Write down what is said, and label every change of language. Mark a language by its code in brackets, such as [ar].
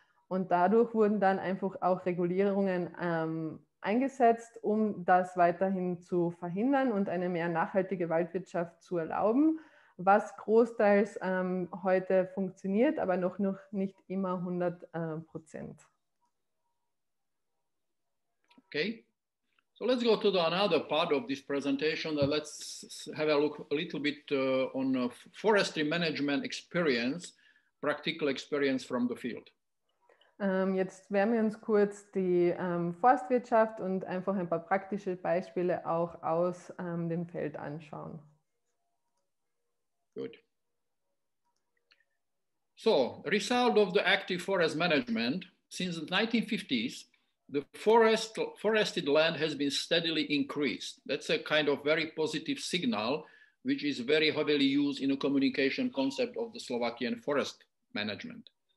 [de] Und dadurch wurden dann einfach auch Regulierungen eingesetzt, um das weiterhin zu verhindern und eine mehr nachhaltige Waldwirtschaft zu erlauben, was großteils heute funktioniert, aber noch nicht immer 100%. [en] Okay, so let's go to the another part of this presentation. Let's have a look a little bit on forestry management experience, practical experience from the field. [de] Jetzt werden wir uns kurz die Forstwirtschaft und einfach ein paar praktische Beispiele auch aus dem Feld anschauen. [en] Good. So, result of the active forest management, since the 1950s, the forested land has been steadily increased. That's a kind of very positive signal, which is very heavily used in a communication concept of the Slovakian forest management.